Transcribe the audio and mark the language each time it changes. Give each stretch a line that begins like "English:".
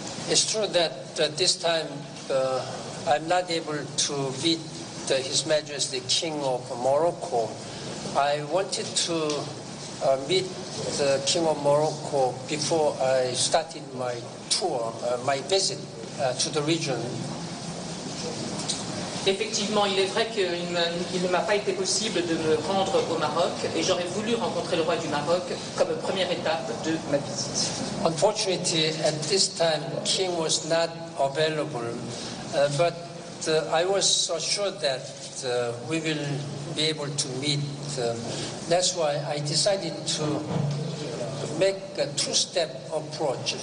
English: it's true that this time I'm not able to meet His Majesty King of Morocco. I wanted to meet the King of Morocco before I started my tour, my visit to the region.
French: Effectivement, il est vrai qu'il ne m'a pas été possible de me rendre au Maroc et j'aurais voulu rencontrer le roi du Maroc comme première étape de ma visite.
English: Unfortunately, at this time, King was not available, but I was assured that we will be able to meet. That's why I decided to make a two-step approach.